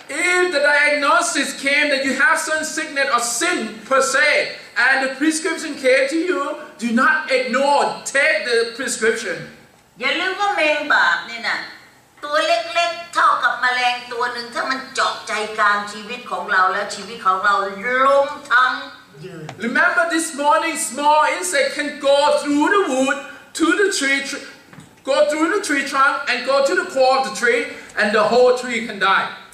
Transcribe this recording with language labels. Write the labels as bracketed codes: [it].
[en] If the diagnosis came that you have some sickness or sin per se, and the prescription came to you, do not ignore. Take the prescription. [th] อย่าลืมว่าแมงบาปเนี่ยนะตัวเล็กๆเท่ากับแมลงตัวหนึ่งถ้ามันเจาะใจกลางชีวิตของเราแล้วชีวิตของเราล้มทั้งยืน [en] Remember this morning small insect can go through the wood to the tree go through the tree trunk and go to the core of the tree and the whole tree can die